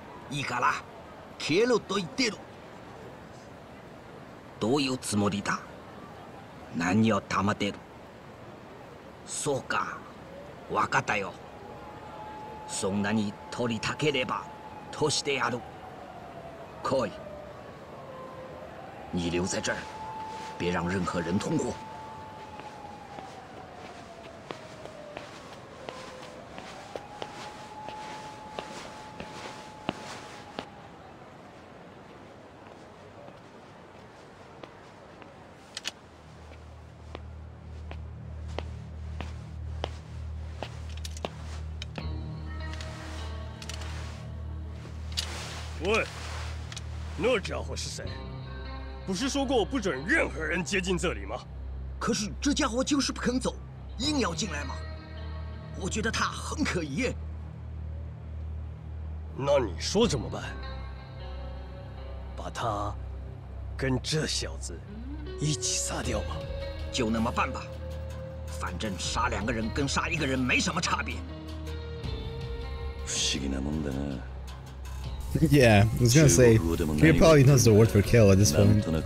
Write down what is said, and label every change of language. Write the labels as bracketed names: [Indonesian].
[Japanese] いいから消えろと言ってる。どういうつもりだ。何を溜まってる。そうか。わかったよ。そんなに取りたければ通してやる。 [Chinese] Koi, 你留在这儿，别让任何人通过。喂。那家伙是谁？不是说过不准任何人接近这里吗？可是这家伙就是不肯走，硬要进来嘛。我觉得他很可疑。那你说怎么办？把他跟这小子一起杀掉吧。就那么办吧，反正杀两个人跟杀一个人没什么差别。 [Japanese] 不思议なもんだな。 [English] Yeah, I was gonna say, he probably knows the word for kill at this point.